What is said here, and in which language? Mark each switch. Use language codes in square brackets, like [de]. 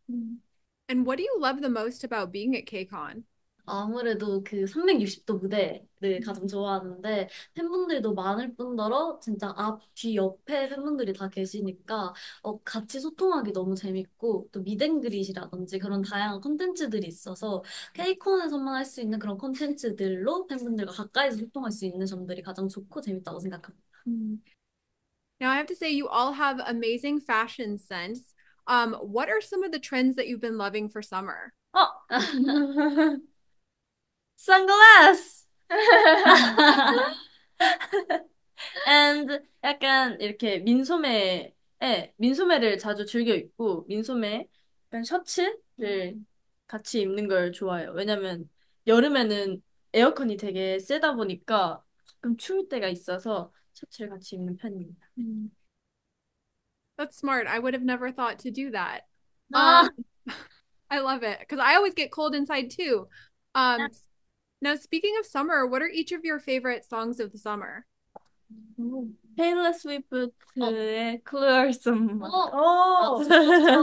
[en] And what do you love the most about being at KCON? [ko] 아무래도 그 360도 무대를 가장 좋아하는데 팬분들도 많을 뿐더러 진짜 앞, 뒤, 옆에 팬분들이 다 계시니까 같이 소통하기 너무 재밌고 또 미드앤그릿이라든지 그런 다양한 콘텐츠들이 있어서 케이콘에서만 할수 있는 그런 콘텐츠들로 팬분들과 가까이서 소통할 수 있는 점들이 가장 좋고 재밌다고 생각합니다. [en] Now, I have to say, you all have amazing fashion sense. What are some of the trends that you've been loving for summer? Sunglass! [ko] And 약간 이렇게 민소매를 자주 즐겨 입고, 민소매, 약간 셔츠를 같이 입는 걸 좋아해요. 왜냐면 여름에는 에어컨이 되게 세다 보니까 가끔 추울 때가 있어서 셔츠를 같이 입는 편입니다. [en] That's smart. I would have never thought to do that. I love it because I always get cold inside too. Now, speaking of summer, what are each of your favorite songs of the summer? [ko] Taylor Swift의 Cruel Summer.